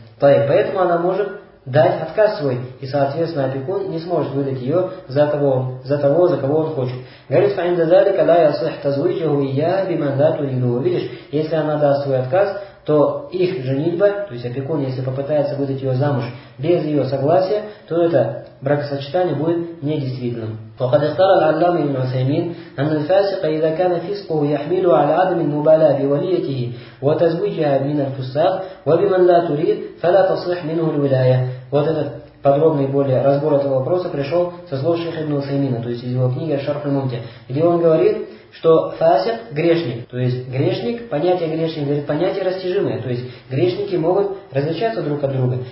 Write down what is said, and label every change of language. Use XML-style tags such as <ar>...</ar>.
<ru>Поэтому она может дать отказ свой, и, соответственно, опекун не сможет выдать ее за того, за кого он хочет. Говорит, «Фаиндазали кадая сахтазвычеву я бимандату иду». Видишь, если она даст свой отказ, то их женитьба, то есть опекун, если попытается выдать ее замуж без ее согласия, то это бракосочетание будет недействительным.</ru> <ar>وقد اختار العلامة ابن عثيمين أن الفاسق إذا كان فسقه يحمل على عدم المبالاة بوليته وتزويجها من الفساق وبمن لا تريد فلا تصح منه الولاية.</ar> <ru>Вот этот подробный более разбор этого вопроса пришел со слов шейха ибн Усаймина, то есть из его книги «Шарх аль-Мумти», где он говорит, что фасик – грешник. То есть грешник, понятие грешник, говорит, понятие растяжимое. То есть грешники могут различаться друг от друга.</ru>